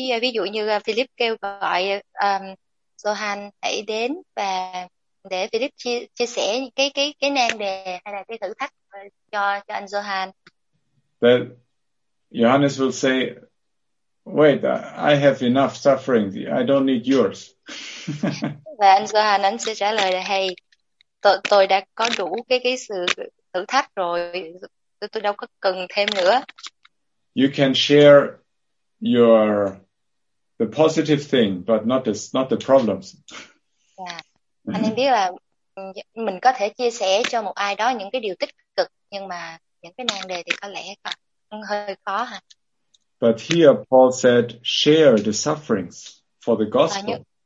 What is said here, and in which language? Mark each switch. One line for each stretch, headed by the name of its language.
Vietnamese: Ví dụ như Philip kêu gọi Johan hãy đến và để Philip chia sẻ cái nan đề hay là cái thử thách. Cho anh Johan.
English: But Johannes will say, wait, I have enough suffering. I don't need yours.
Vietnamese: Và anh Johan anh sẽ trả lời là, hey, tôi đã có đủ cái sự thử thách rồi. Tôi đâu có cần thêm nữa.
English: You can share the positive thing, but not the problems. Yeah.
Vietnamese: Anh em biết là mình có thể chia sẻ cho một ai đó những cái điều tích cực, nhưng mà những cái nan đề thì có lẽ hơi khó hả?
English: But here Paul said, share the sufferings for the gospel.